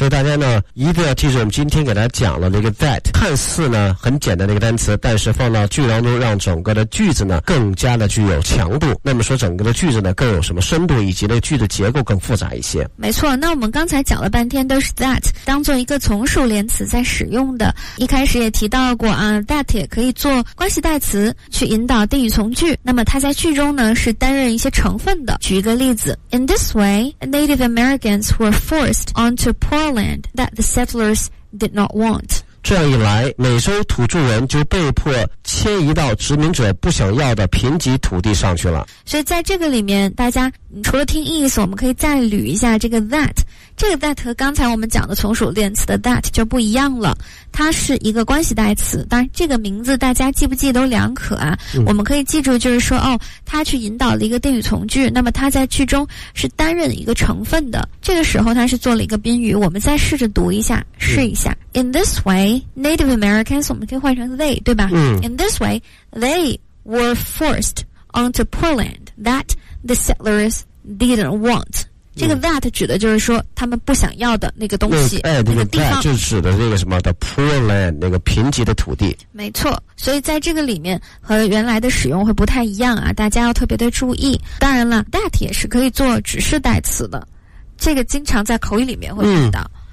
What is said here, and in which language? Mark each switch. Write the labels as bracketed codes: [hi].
[zh] 所以大家呢一定要记住我们今天给大家讲了那个 that， 看似呢很简单的一个单词，但是放到句当中让整个的句子呢更加的具有强度，那么说整个的句子呢更有什么深度，以及那句的结构更复杂一些。没错，那我们刚才讲了半天都是 that 当做一个从属连词在使用的，一开始也提到过啊， that 也可以做关系代词去引导定语从句，那么它在句中呢是担任一些成分的。举一个例子， [en] In this way Native Americans were forced onto poorland that the settlers did not want。 [zh] 这样一来，美洲土著人就被迫迁移到殖民者不想要的贫瘠土地上去了。所以在这个里面，大家除了听意思，我们可以再捋一下这个 that。这个 that 和刚才我们讲的从属连词的 that 就不一样了，它是一个关系代词，当然这个名字大家记不记都两可啊。嗯，我们可以记住就是说，哦，它去引导了一个定语从句，那么它在句中是担任一个成分的，这个时候它是做了一个宾语。我们再试着读一下，试一下。嗯， [en] In this way Native Americans， [zh] 我们可以换成 they 对吧。嗯， [en] In this way they were forced onto poor land that the settlers didn't want。 [zh] 这个 that 指的就是说他们不想要的那个东西，那个地方，就指的那个什么的 poor land， 那个贫瘠的土地。没错，所以在这个里面和原来的使用会不太一样啊，大家要特别的注意。当然了， that 也是可以做指示代词的，这个经常在口语里面会用到。